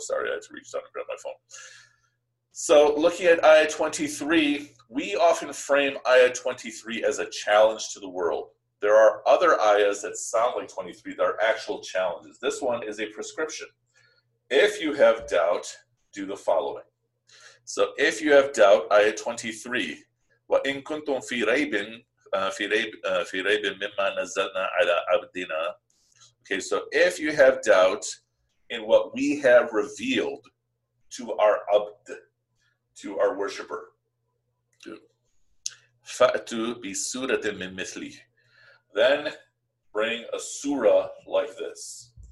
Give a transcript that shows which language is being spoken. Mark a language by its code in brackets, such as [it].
[en] Sorry, I had to reach down and grab my phone. So looking at Ayah 23, we often frame Ayah 23 as a challenge to the world. There are other ayahs that sound like 23 that are actual challenges. This one is a prescription. If you have doubt, do the following. So if you have doubt, Ayah 23, [ar] وَإِنْ كُنْتُمْ فِي رَيْبٍ مِمَّا نَزَّلْنَا عَلَىٰ عَبْدِنَا. [en] Okay, so if you have doubt in what we have revealed to our abd, to our worshiper, [ar] فَأْتُوا بِسُورَةٍ مِنْ مِثْلِهِ, [en] then bring a surah like this.